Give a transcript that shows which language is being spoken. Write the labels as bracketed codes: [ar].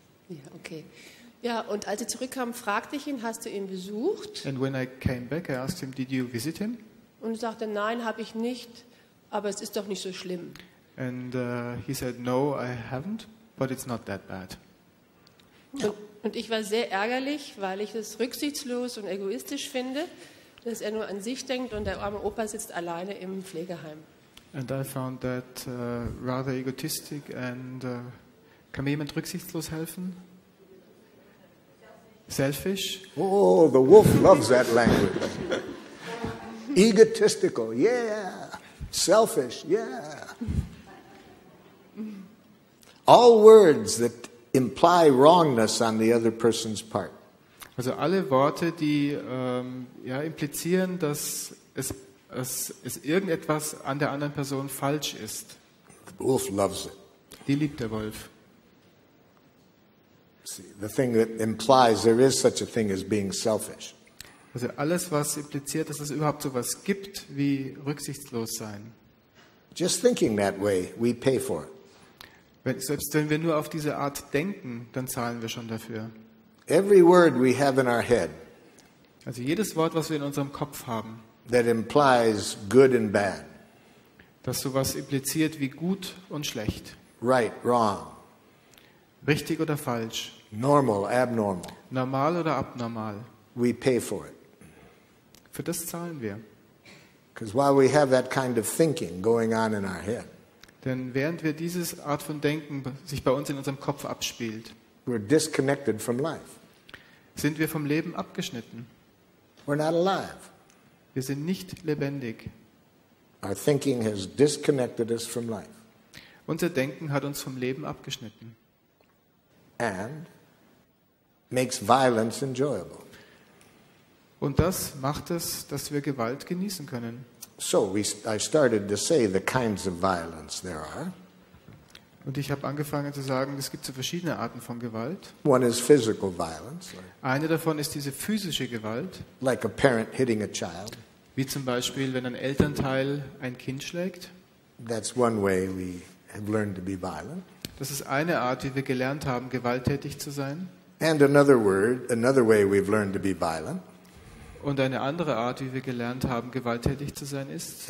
[de] Ja, okay. Ja, und als er zurückkam, fragte ich ihn, hast du ihn besucht? [en] And when I came back, I asked him, did you visit him? [de] Und er sagte, nein, habe ich nicht, aber es ist doch nicht so schlimm. [en] And he said, no, I haven't, but it's not that bad. No. [de] Und ich war sehr ärgerlich, weil ich es rücksichtslos und egoistisch finde, dass er nur an sich denkt und der arme Opa sitzt alleine im Pflegeheim. [en] And I found that rather egotistic and [de] kann mir jemand rücksichtslos helfen? [en] Selfish? Oh, the wolf loves that language. Egotistical, yeah. Selfish, yeah. All words that imply wrongness on the other person's part. [de] Also alle Worte, die ja implizieren, dass es irgendetwas an der anderen Person falsch ist. [en] The wolf loves it. [de] Die liebt der Wolf. [en] See, the thing that implies there is such a thing as being selfish. [de] Also alles, was impliziert, dass es überhaupt sowas gibt wie rücksichtslos sein. [en] Just thinking that way, we pay for it. [de] Selbst wenn wir nur auf diese Art denken, dann zahlen wir schon dafür. [en] Every word we have in our head, [de] also jedes Wort, was wir in unserem Kopf haben, [en] that implies good and bad, [de] das sowas impliziert wie gut und schlecht. [en] Right, wrong. [de] Richtig oder falsch. [en] Normal, abnormal. [de] Normal oder abnormal. [en] We pay for it. [de] Für das zahlen wir. [en] Because while we have that kind of thinking going on in our head, [de] denn während wir dieses Art von Denken sich bei uns in unserem Kopf abspielt, [en] we're disconnected from life. [de] Sind wir vom Leben abgeschnitten. [en] We're not alive. [de] Wir sind nicht lebendig. [en] Our thinking has disconnected us from life. [de] Unser Denken hat uns vom Leben abgeschnitten. [en] And makes violence enjoyable. [de] Und das macht es, dass wir Gewalt genießen können. [en] So, I started to say the kinds of violence there are. [de] Und ich habe angefangen zu sagen, es gibt so verschiedene Arten von Gewalt. [en] One is physical violence. [de] Eine davon ist diese physische Gewalt. [en] Like a parent hitting a child. [de] Wie zum Beispiel, wenn ein Elternteil ein Kind schlägt. [en] That's one way we have learned to be violent. [de] Das ist eine Art, wie wir gelernt haben, gewalttätig zu sein. [en] And another word, another way we've learned to be violent. [de] Und eine andere Art, wie wir gelernt haben, gewalttätig zu sein, ist